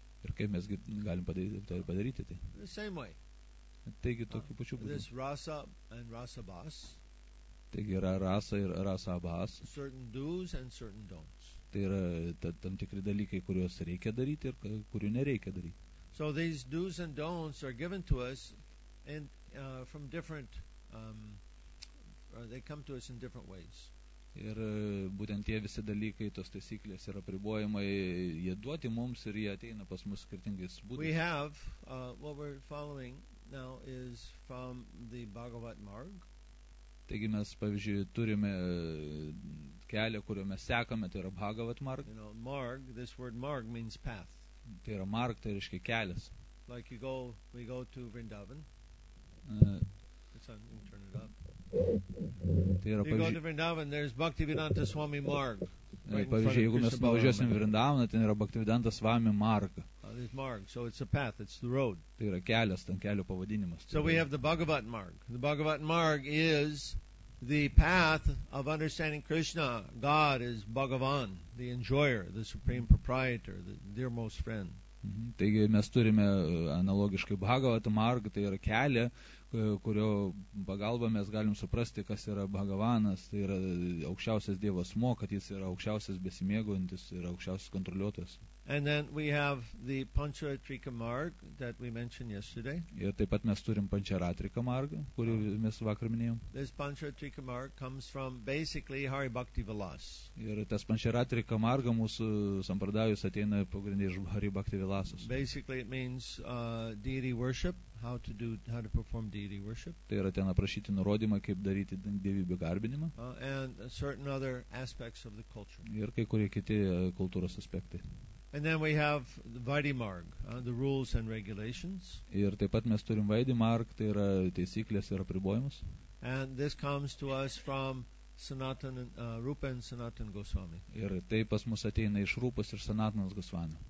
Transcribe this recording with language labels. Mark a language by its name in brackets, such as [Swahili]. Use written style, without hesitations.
[Lithuanian] Ir kaip mes galim padaryti tai? [English] The same way. [Lithuanian] Taigi tokiu pačiu būdu. [English] This rasa and rasa bas. [Lithuanian] Taigi yra rasa ir rasa bas. [English] Certain do's and certain don'ts. [Lithuanian] Tai yra tam tikri dalykai, kuriuos reikia daryti ir kurių nereikia daryti. [English] So these do's and don'ts are given to us in from different they come to us in different ways. [Lithuanian] Ir būtent tie visi dalykai, tos taisyklės yra apribojimai, jie duoti mums ir jie ateina pas mus skirtingais būdais. [English] We have what we're following now is from the Bhagavat Marg. [Lithuanian] Taigi mes, pavyzdžiui, turime kelią, kurio mes sekame, tai yra Bhagavat Marg. [English] You know, Marg, this word Marg means path. [Lithuanian] Tai yra Marg, tai reiškia kelias. [English] Like you go, we go to Vrindavan. [Lithuanian] Tai yra, [English] you go to Vrindavan, there's Bhaktivedanta Swami Marg. [Lithuanian] Pavyzdžiui, jeigu mes pavažiuosim Vrindavaną, ten yra Bhaktivedanta Swami Marg. [English] This Marg, so it's a path, it's the road. [Lithuanian] Tai yra kelias, ten kelio pavadinimas. [English] So we have the Bhagavat Marg. The Bhagavat Marg is the path of understanding Krishna. God is Bhagavan, the enjoyer, the supreme proprietor, the dearmost friend. [Lithuanian] Taigi mes turime analogiškai Bhagavat Marg, tai yra kelią, kurio pagalba mes galim suprasti, kas yra Bhagavanas, tai yra aukščiausias Dievo asmo, kad jis yra aukščiausias besimėgojantis ir aukščiausias kontroliuotojas. [English] And then we have the Pancharatrika Marg that we mentioned yesterday. [Lithuanian] Ir taip pat mes turim Pancharatrika Marg, kurį mes vakar minėjom. [English] This Pancharatrika Marg comes from basically Hari Bhakti Vilas. [Lithuanian] Ir tas Pancharatrika Marg mūsų sampradajus ateina pagrindiniai iš Hari Bhakti Vilasos. [English] Basically it means deity worship, how to perform deity worship. [Lithuanian] Tai yra ten aprašyti nurodymą, kaip daryti dievybių garbinimą. [English] And certain other aspects of the culture. [Lithuanian] Ir kai kurie kiti kultūros aspektai. [English] And then we have the Vaidhi Marg, the rules and regulations. [Lithuanian] Ir taip pat mes turim Vaidhi Marg, tai yra taisyklės ir apribojimus. [English] And this comes to us from Sanatan Rupa and Sanatan Goswami. [Lithuanian] Ir tai pas mus ateina iš Rupas ir Sanatanas Goswami.